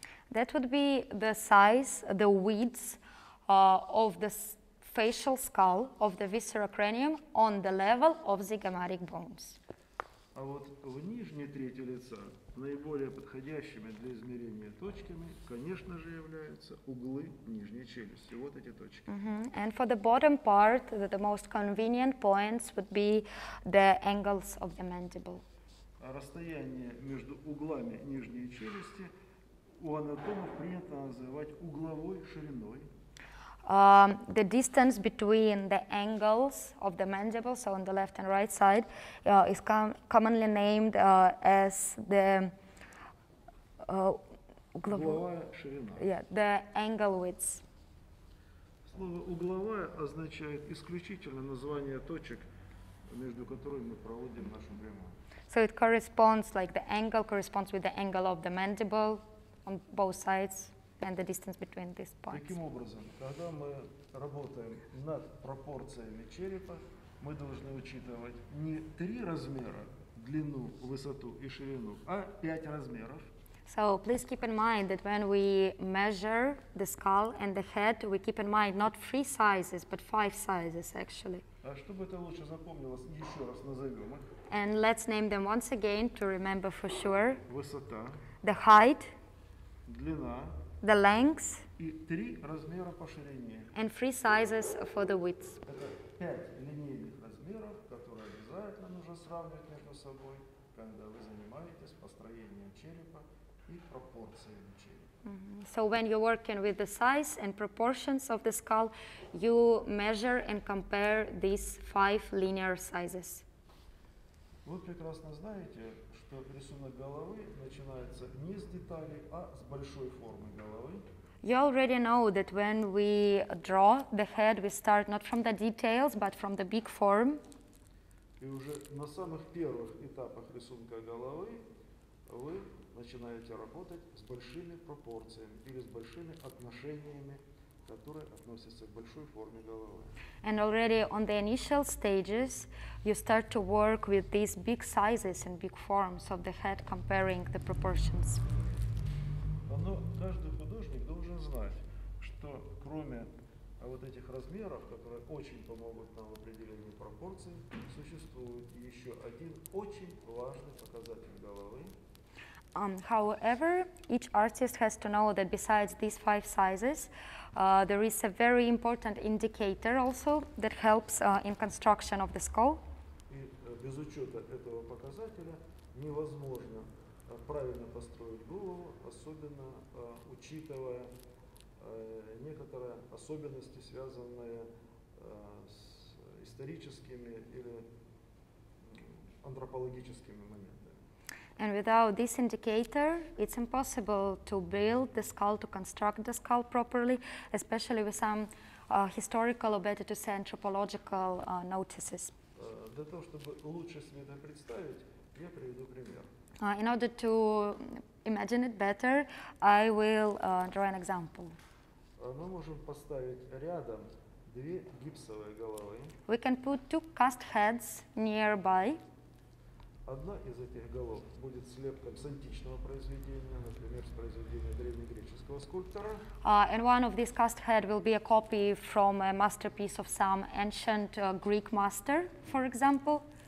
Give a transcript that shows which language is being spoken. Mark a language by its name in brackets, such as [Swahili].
[English] That would be the size, the width of the facial skull of the viscerocranium on the level of zygomatic bones. [Russian] А вот в нижней трети лица наиболее подходящими для измерения точками, конечно же, являются углы нижней челюсти. Вот эти точки. [English] And for the bottom part, the most convenient points would be the angles of the mandible. [Russian] А расстояние между углами нижней челюсти у анатомов принято называть угловой шириной. [English] The distance between the angles of the mandible, so on the left and right side, is commonly named as the the angle widths. [Russian] Слово угловая означает исключительно название точек, между которыми мы проводим нашу прямую. [English] So it corresponds, like the angle corresponds with the angle of the mandible on both sides. And the distance between these points. [Russian] Таким образом, когда мы работаем над пропорциями черепа, мы должны учитывать не три размера длину, высоту и ширину, а пять размеров. [English] So please keep in mind that when we measure the skull and the head, we keep in mind not three sizes, but five sizes actually. [Russian] А чтобы это лучше запомнилось, еще раз назовем их. [English] And let's name them once again to remember for sure. [Russian] Высота. [English] The height. [Russian] Длина. [English] The lengths [Russian] и три размера по ширине. [English] And three sizes for the widths. [Russian] Это пять линейных размеров, которые обязательно нужно сравнивать между собой, когда вы занимаетесь построением черепа и пропорциями черепа. [English] So when you're working with the size and proportions of the skull, you measure and compare these five linear sizes. [Russian] Вы прекрасно знаете, что рисунок головы начинается не с деталей, а с большой формы головы. [English] You already know that when we draw the head, we start not from the details, but from the big form. [Russian] И уже на самых первых этапах рисунка головы вы начинаете работать с большими пропорциями или с большими отношениями, которые относятся к большой форме головы. [English] And already on the initial stages, you start to work with these big sizes and big forms of the head, comparing the proportions. [Russian] Но каждый художник должен знать, что кроме вот этих размеров, которые очень помогут нам в определении пропорций, существует еще один очень важный показатель головы. [English] However, each artist has to know that besides these five sizes, there is a very important indicator also that helps in construction of the skull. [Russian] И без учета этого показателя невозможно правильно построить голову, особенно учитывая некоторые особенности, связанные с историческими или антропологическими моментами. [English] And without this indicator, it's impossible to build the skull, to construct the skull properly, especially with some historical, or better to say, anthropological notices. [Russian] Для того, чтобы лучше себе это представить, я приведу пример. [English] In order to imagine it better, I will draw an example. [Russian] Мы можем поставить рядом две гипсовые головы. [English] We can put two cast heads nearby. [Russian] Одна из этих голов будет слепком с античного произведения, например, с произведения древнегреческого скульптора. [English] And one of these cast head will be a copy from a masterpiece of some ancient Greek master, for example.